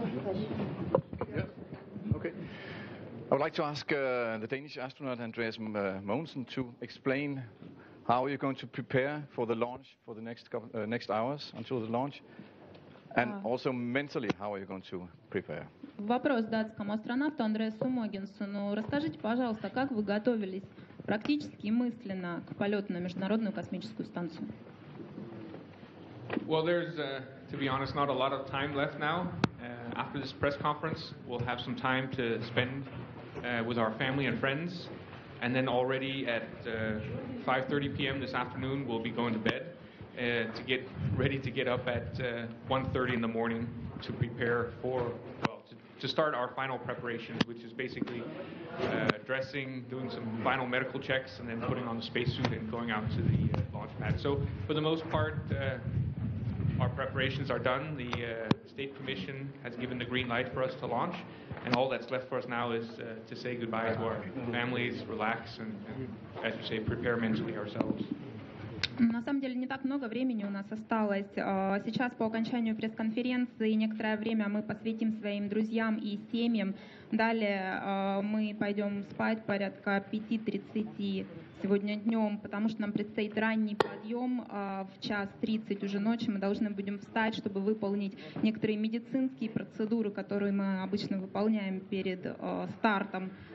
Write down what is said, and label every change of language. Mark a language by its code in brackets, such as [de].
[en] Yeah. Okay. I would like to ask the Danish astronaut Andreas Mogensen to explain how you're going to prepare for the launch for the next next hours until the launch, and also mentally, how are you going to prepare? [ru] Вопрос датскому астронавту Андреасу Могенсену. Расскажите, пожалуйста, как вы готовились практически мысленно к полету на Международную космическую станцию? [en] Well, there's, to be honest, not a lot of time left now. After this press conference, we'll have some time to spend with our family and friends. And then already at 5:30 p.m. this afternoon, we'll be going to bed to get ready to get up at 1:30 in the morning to prepare for, well, to start our final preparations, which is basically dressing, doing some final medical checks, and then putting on the spacesuit and going out to the launch pad. So for the most part, our preparations are done. The State Commission has given the green light for us to launch, and all that's left for us now is to say goodbye to our families, relax, and as you say, prepare mentally ourselves. [ru] На самом деле, не так много времени у нас осталось. Сейчас по окончанию пресс-конференции некоторое время мы посвятим своим друзьям и семьям. Далее мы пойдем спать порядка 5:30 сегодня днем, потому что нам предстоит ранний подъем в 1:30 уже ночи. Мы должны будем встать, чтобы выполнить некоторые медицинские процедуры, которые мы обычно выполняем перед стартом.